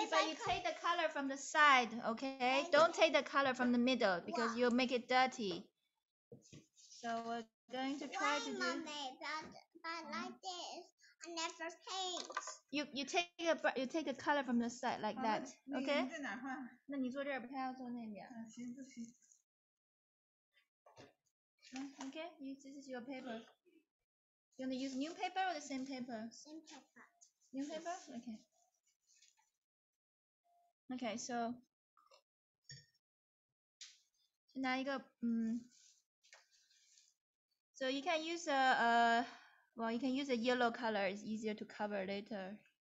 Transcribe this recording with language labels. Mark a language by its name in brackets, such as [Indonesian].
[English] yeah, but you take the color from the side, okay? Don't take the color from the middle because you'll make it dirty. So we're going to try to do. But like this, I never paint. You take the color from the side like that, okay? [Chinese] 那你坐这儿，不太要坐那边。行，不行。 [English] Okay, this is your paper. You want to use new paper or the same paper? Same paper. New paper? Okay. Okay, so. [Chinese] 拿一个, [English] so you can use you can use a yellow color, it's easier to cover later.